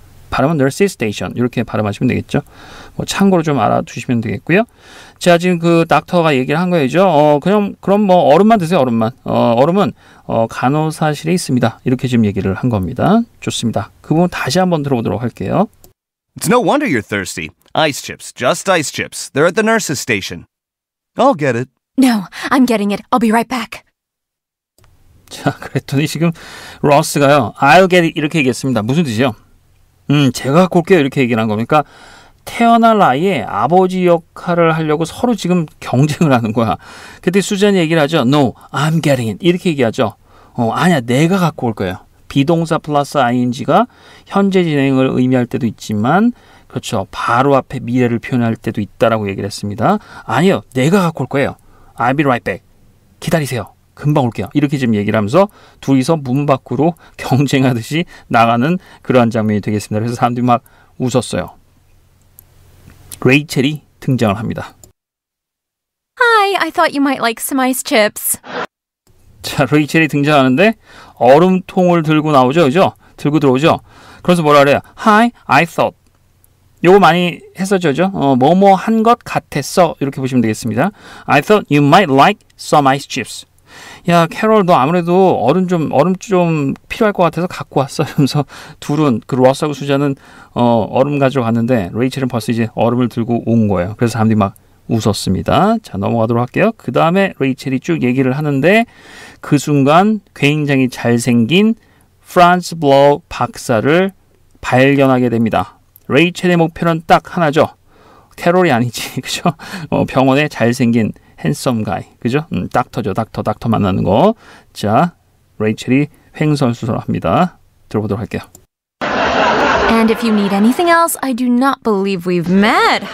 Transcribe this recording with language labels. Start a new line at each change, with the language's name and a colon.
Korean: 발음은
English: nurses station
Korean: 이렇게 발음하시면 되겠죠. 뭐 참고로 좀 알아두시면 되겠고요. 제가 지금 그 닥터가 얘기를 한 거예요. 그럼 뭐 얼음만 드세요. 얼음만. 얼음은 간호사실에 있습니다. 이렇게 지금 얘기를 한 겁니다. 좋습니다. 그 부분 다시 한번 들어보도록 할게요.
English: It's no wonder you're thirsty. Ice chips, just ice chips. They're at the nurse's station. I'll get it. No, I'm getting it. I'll be right back.
Korean: 자, 그랬더니 지금 로스가요,
English: I'll get it
Korean: 이렇게 얘기했습니다. 무슨 뜻이요? 제가 갖고 올게요 이렇게 얘기를 한 겁니까? 태어날 아이의 아버지 역할을 하려고 서로 지금 경쟁을 하는 거야. 그때 수잔이 얘기를 하죠.
English: No, I'm getting it
Korean: 이렇게 얘기하죠. 아니야, 내가 갖고 올 거예요. 비동사 플러스 ing가 현재 진행을 의미할 때도 있지만, 그렇죠, 바로 앞에 미래를 표현할 때도 있다라고 얘기를 했습니다. 아니요, 내가 갖고 올 거예요.
English: I'll be right back.
Korean: 기다리세요. 금방 올게요. 이렇게 지금 얘기를 하면서 둘이서 문 밖으로 경쟁하듯이 나가는 그러한 장면이 되겠습니다. 그래서 사람들이 막 웃었어요. 레이첼이 등장을 합니다.
English: Hi, I thought you might like some ice chips.
Korean: 자, 레이첼이 등장하는데 얼음통을 들고 나오죠, 그죠? 들고 들어오죠? 그래서 뭐라 그래요?
English: Hi, I thought.
Korean: 요거 많이 했었죠, 그죠? 뭐뭐 한 것 같았어. 이렇게 보시면 되겠습니다.
English: I thought you might like some ice chips.
Korean: 야, 캐롤, 너 아무래도 얼음 좀 필요할 것 같아서 갖고 왔어. 이러면서 둘은, 그 로스하고 수잔은 얼음 가지러 갔는데, 레이첼은 벌써 이제 얼음을 들고 온 거예요. 그래서 사람들이 막 웃었습니다. 자, 넘어가도록 할게요. 그 다음에 레이첼이 쭉 얘기를 하는데, 그 순간 굉장히 잘생긴 프란츠 블로 박사를 발견하게 됩니다. 레이첼의 목표는 딱 하나죠. 캐롤이 아니지, 그죠? 병원에 잘생긴 핸섬 가이, 그죠? 닥터죠, 닥터 만나는 거. 자, 레이첼이 횡설수설합니다. 들어보도록 할게요.
English: And if you need anything else, I do not believe we've met.